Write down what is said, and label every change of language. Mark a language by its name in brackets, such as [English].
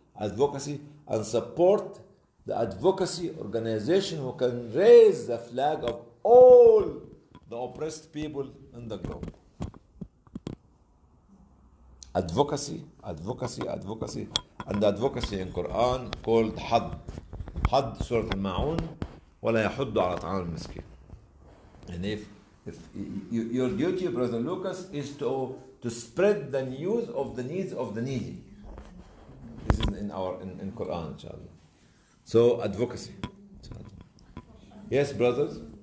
[English] Advocacy and support the advocacy organization who can raise the flag of all the oppressed people in the globe. Advocacy, advocacy, advocacy, and advocacy in Quran called Hadd. [Arabic] حد سورة الماعون ولا يحض على طعام المسكين. [English] And if your duty, Brother Lucas, is to spread the news of the needs of the needy. This is in our in Quran, inshallah. So advocacy. Yes, brothers.